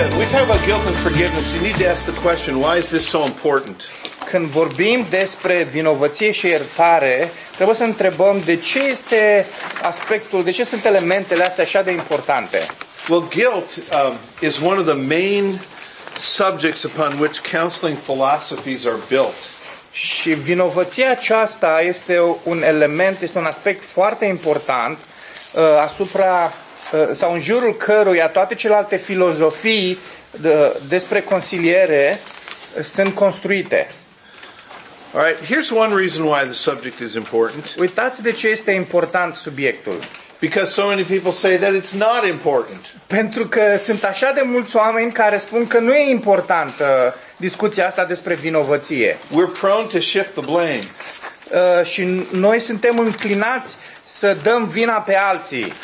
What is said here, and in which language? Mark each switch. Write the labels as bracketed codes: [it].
[en] talk about guilt and forgiveness, you need to ask the question, why is this so important? [ro] Când vorbim despre vinovăție și iertare, trebuie să întrebăm de ce este aspectul, de ce sunt elementele astea așa de importante. [en] Well, guilt is one of the main subjects upon which counseling philosophies are built. [ro] Și vinovăția aceasta este un element, este un aspect foarte important asupra sau în jurul căruia toate celelalte filozofii despre consiliere sunt construite. [en] All right, here's one reason why the subject is important. [ro] Uitați de ce este important subiectul. [en] Because so many people say that it's not important. [ro] Pentru că sunt așa de mulți oameni care spun că nu e importantă discuția asta despre vinovăție. [en] We're prone to shift the blame. [ro] Și noi suntem înclinați să dăm vina pe alții.